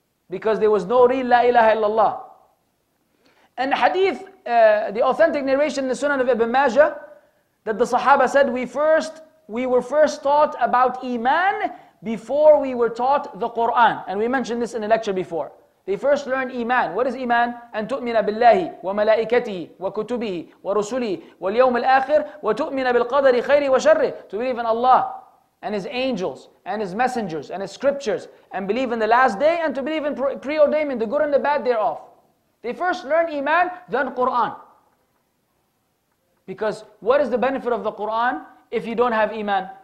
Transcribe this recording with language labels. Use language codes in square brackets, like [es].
[en] Because there was no real la ilaha illallah. And hadith, the authentic narration in the Sunan of Ibn Majah, that the Sahaba said, we were first taught about iman, before we were taught the Quran. And we mentioned this in a lecture before. They first learn Iman. What is Iman? [ar] أن تؤمن بالله وملائكته وكتبه ورسله واليوم الآخر وتؤمن بالقدر خيره وشره. [en] To believe in Allah and His angels and His messengers and His scriptures and believe in the last day and to believe in preordainment, the good and the bad thereof. They first learn Iman, then Quran. Because what is the benefit of the Quran if you don't have Iman?